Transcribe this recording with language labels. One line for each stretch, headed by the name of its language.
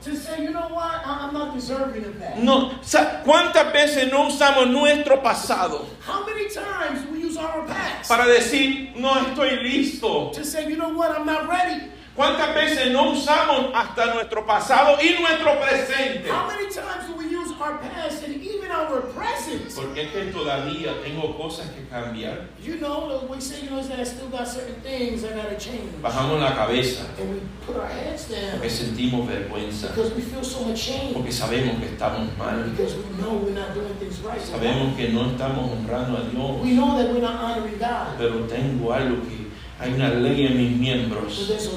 English: To say, you know what, I'm not deserving of that.
Spanish: No, ¿cuántas veces no usamos nuestro pasado?
English: How many times we use our past?
Spanish: Para decir, no estoy listo.
English: To say, you know what, I'm not ready.
Spanish: ¿Cuántas veces no usamos hasta nuestro pasado y nuestro presente?
English: How many times do we use our past and even our present?
Spanish: Porque es que todavía tengo cosas que cambiar.
English: You know, we say, you know, that I still got certain things I got to change.
Spanish: Bajamos la cabeza.
English: And we put our heads down.
Spanish: Porque sentimos vergüenza.
English: Because we feel so ashamed.
Spanish: Porque sabemos que estamos mal.
English: Because we know we're not doing things right.
Spanish: Sabemos que no estamos honrando a Dios.
English: We know that we're not honoring God.
Spanish: Pero tengo algo que, hay una ley en mis miembros.